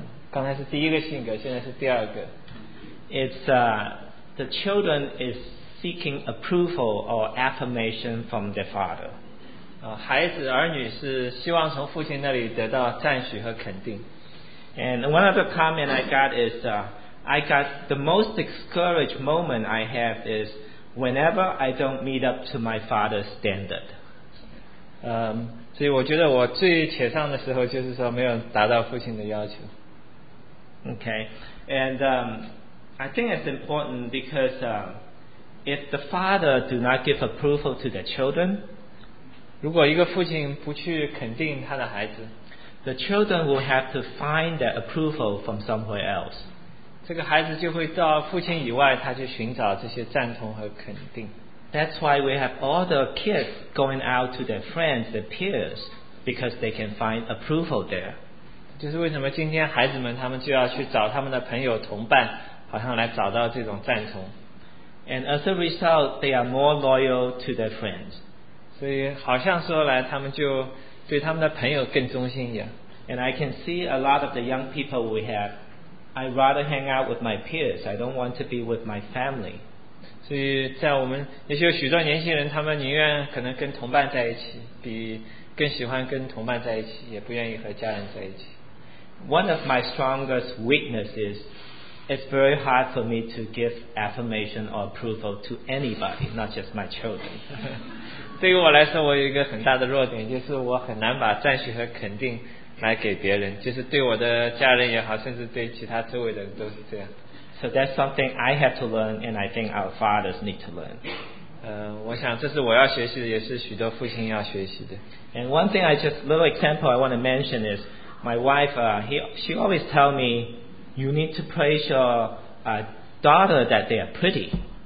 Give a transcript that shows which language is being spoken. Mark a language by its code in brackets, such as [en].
[zh] 刚才是第一个性格，现在是第二个。 [en] It's the children is seeking approval or affirmation from their father. [zh] 孩子儿女是希望从父亲那里得到赞许和肯定。 [en] And one other comment I got is, I got the most discouraged moment I have is whenever I don't meet up to my father's standard. [zh] 所以我觉得我最沮丧的时候就是说没有达到父亲的要求。 [en] Okay, and I think it's important because if the father do not give approval to the children, [zh] 如果一个父亲不去肯定他的孩子, [en] the children will have to find their approval from somewhere else. [zh] 这个孩子就会到父亲以外他去寻找这些赞同和肯定。 [en] That's why we have all the kids going out to their friends, their peers, because they can find approval there. [zh] 就是为什么今天孩子们他们就要去找他们的朋友同伴，好像来找到这种赞同。 [en] And as a result, they are more loyal to their friends. [zh] 所以好像说来他们就对他们的朋友更忠心一样。 [en] And I can see a lot of the young people we have, I rather hang out with my peers. I don't want to be with my family. [zh] 所以在我们也许有许多年轻人他们宁愿可能跟同伴在一起比更喜欢跟同伴在一起也不愿意和家人在一起。 [en] One of my strongest weaknesses is very hard for me to give affirmation or approval to anybody, not just my children. [zh] 对于我来说我有一个很大的弱点就是我很难把赞许和肯定来给别人就是对我的家人也好甚至对其他周围的人都是这样。 [en] So that's something I have to learn, and I think our fathers need to learn. [zh] 我想这是我要学习的，也是许多父亲要学习的。 [en] And one thing I just little example I want to mention is my wife. She always tell me, you need to praise your daughter that they are pretty.